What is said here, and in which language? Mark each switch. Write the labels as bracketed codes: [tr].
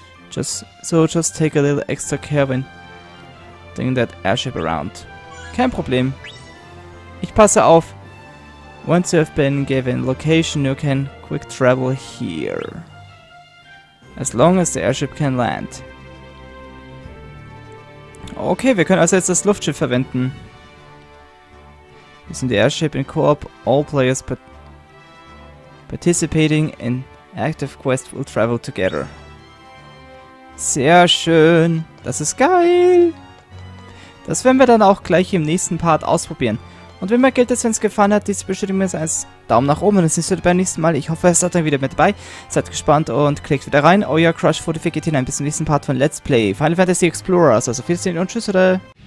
[en] Just take a little extra care when doing that airship around. [de] Kein Problem. Ich passe auf. [en] Once you have been given location, you can quick travel here. As long as the airship can land. [de] Okay, wir können also jetzt das Luftschiff verwenden. [en] Using the airship in co-op, all players participating in active quest will travel together. [de] Sehr schön. Das ist geil. Das werden wir dann auch gleich im nächsten Part ausprobieren. Und wie immer gilt es, wenn es gefallen hat, diese Bestätigung ist als Daumen nach oben. Dann seht ihr beim nächsten Mal. Ich hoffe, ihr seid dann wieder mit dabei. Seid gespannt und klickt wieder rein. Euer Crush Fortificate hin. Bis zum nächsten Part von Let's Play Final Fantasy Explorers. Also viel Sehen und tschüss, oder?